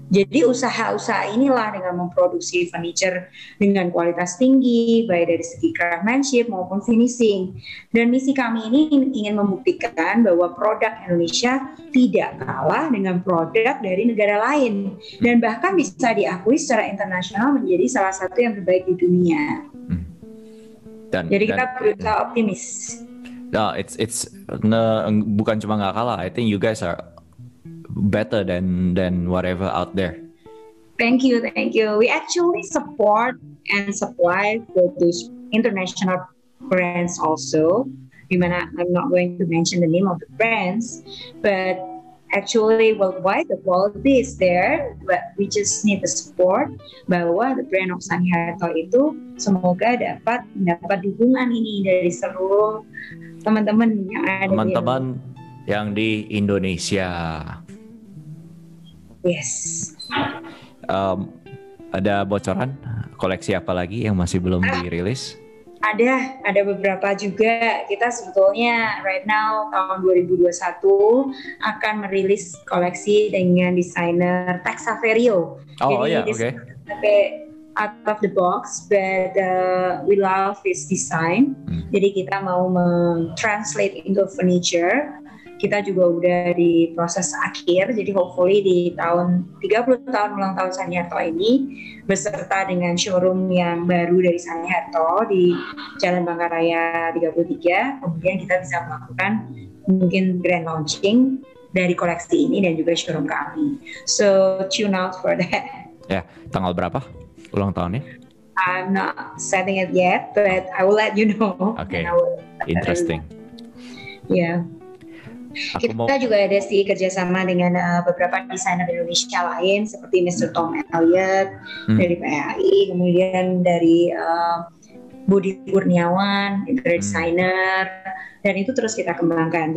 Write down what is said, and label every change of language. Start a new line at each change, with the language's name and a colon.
Indonesian: Jadi usaha-usaha inilah dengan memproduksi furniture dengan kualitas tinggi, baik dari segi craftsmanship maupun finishing. Dan misi kami ini ingin membuktikan bahwa produk Indonesia tidak kalah dengan produk dari negara lain. Dan bahkan bisa diakui secara internasional menjadi salah satu yang terbaik di dunia. Dan, jadi kita berusaha optimis.
English: No, it's
Indonesian: bukan cuma gak kalah,
English: I think you guys are better than whatever out there. Thank you. We actually support and supply for those international brands also. I'm not going to mention the name of the brands, but actually worldwide the quality is there, but we just need the support bahwa the brand of Sunny Harto
Indonesian: itu semoga dapat dukungan ini dari seluruh teman-teman yang ada teman-teman yang di Indonesia.
English: Yes.
Indonesian: Ada bocoran koleksi apa lagi yang masih belum dirilis? Ada beberapa juga. Kita sebetulnya
English: right now
Indonesian: tahun 2021 akan merilis koleksi dengan desainer Tex Averio. Oh iya, oke. Tapi
English: out of the box, but we love his design.
Indonesian: Jadi kita mau mentranslate
English: into furniture.
Indonesian: Kita juga udah di proses akhir, jadi hopefully di tahun 30 tahun ulang tahun Sanyarto ini, beserta dengan showroom yang baru dari Sanyarto di Jalan Bangka Raya 33, kemudian kita bisa melakukan mungkin grand launching dari koleksi ini dan juga showroom kami.
English: So tune out for that.
Indonesian: Ya, tanggal berapa ulang tahunnya?
English: I'm not setting it yet, but I will let you know. Okay, interesting. Yeah.
Indonesian: Kita juga ada sih kerjasama dengan beberapa desainer Indonesia lain seperti Mr. Tom Elliott dari PAI, kemudian dari Budi Kurniawan, interior designer, dan itu terus kita kembangkan.